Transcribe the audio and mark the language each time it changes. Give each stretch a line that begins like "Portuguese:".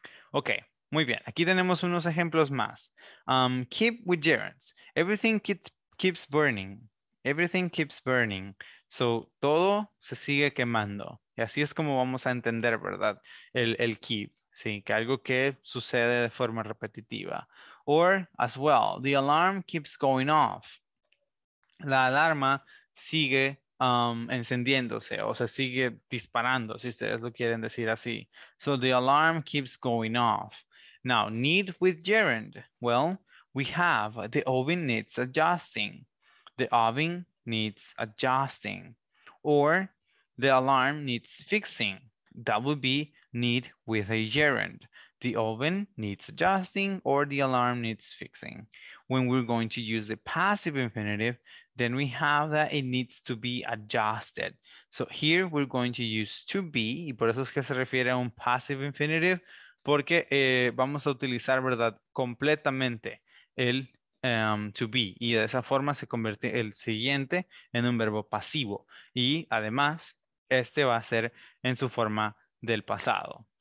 Spanish: Ok, muy bien. Aquí tenemos unos ejemplos más.
English: Keep with gerunds. Everything keeps burning. Everything keeps burning.
Spanish: So, todo se sigue quemando. Y así es como vamos a entender, ¿verdad? El keep, ¿sí? Que algo que sucede de forma repetitiva.
English: Or, as well, the alarm keeps going off.
Spanish: La alarma sigue encendiéndose o se sigue disparando, si ustedes lo quieren decir así.
English: So, the alarm keeps going off. Now, need with gerund. Well, we have the oven needs adjusting. The oven needs adjusting. Or the alarm needs fixing. That would be need with a gerund. The oven needs adjusting or the alarm needs fixing. When we're going to use the passive infinitive, then we have that it needs to be adjusted. So here we're going to use to be,
Spanish: y por eso es que se refiere a un passive infinitive, porque vamos a utilizar, ¿verdad?, completamente el to be, y de esa forma se convierte el siguiente en un verbo pasivo. Y además, este va a ser en su forma del pasado.